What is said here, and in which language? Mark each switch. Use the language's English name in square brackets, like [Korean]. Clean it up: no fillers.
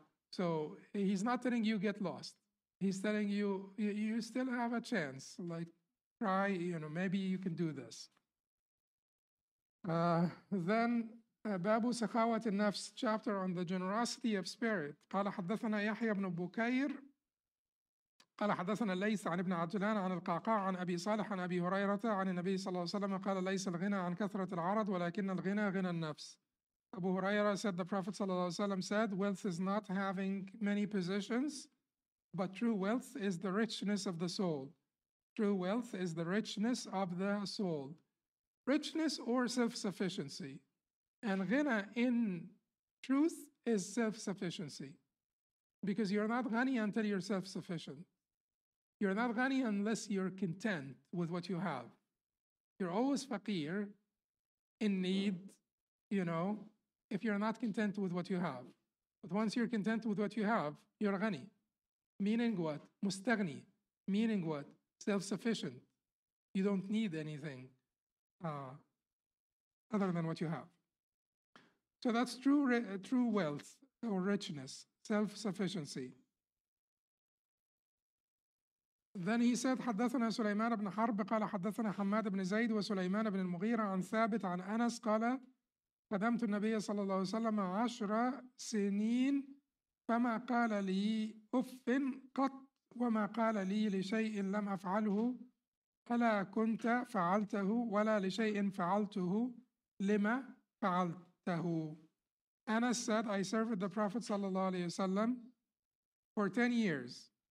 [English] So he's not telling you get lost. He's telling you you still have a chance. Like, try, maybe you can do this. Then [Arabic] باب سخاوة النفس, [English] chapter on the generosity of spirit. [Arabic] قال حدثنا يحيى بن بكير قال حدثنا ليس عن ابن عجلان عن القعقاع عن أبي صالح عن أبي هريرة عن النبي صلى الله عليه وسلم قال ليس الغنى عن كثرة العرض ولكن الغنى غنى النفس. [English] أبو هريرة said the Prophet صلى الله عليه وسلم said, wealth is not having many possessions, but true wealth is the richness of the soul. True wealth is the richness of the soul. Richness or self-sufficiency. And ghina in truth is self-sufficiency. Because you're not ghani until you're self-sufficient. You're not ghani unless you're content with what you have. You're always faqir, in need, you know, if you're not content with what you have. But once you're content with what you have, you're ghani. Meaning what? Mustaghni. Meaning what? Self-sufficient. You don't need anything other than what you have. So that's true wealth or richness, self-sufficiency. Then he said, [Arabic] حدثنا سليمان بن حرب قال حدثنا حماد بن زيد وسليمان بن المغيرة عن ثابت عن أنس قال قدمت النبي صلى الله عليه وسلم 10 سنين فما قال لي أف قط وما قال لي لشيء لم أفعله فلا كنت فعلته ولا لشيء فعلته لما فعلته. [English] Anas said, I served the Prophet sallallahu alayhi wa sallam for 10 years.